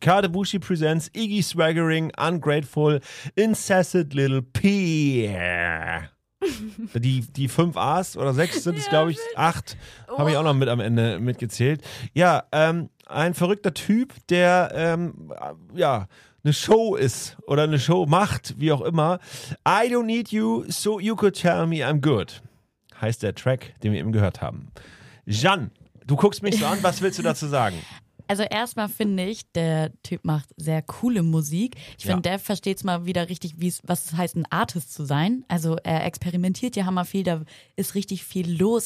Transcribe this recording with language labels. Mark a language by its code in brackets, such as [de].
[en] Kadebushi presents Iggy Swaggering, Ungrateful, Incessant Little P. [de] Die 5 A's oder 6 sind es, ja, glaube ich, 8. Habe ich auch noch mit am Ende mitgezählt. Ja, ein verrückter Typ, der ja, eine Show ist oder eine Show macht, wie auch immer. [en] I don't need you, so you could tell me I'm good. [de] Heißt der Track, den wir eben gehört haben. Jeanne, du guckst mich so an, was willst du dazu sagen? Also erstmal finde ich, der Typ macht sehr coole Musik. Ich finde, der versteht es mal wieder richtig, was es heißt, ein Artist zu sein. Also er experimentiert ja hammer viel, da ist richtig viel los.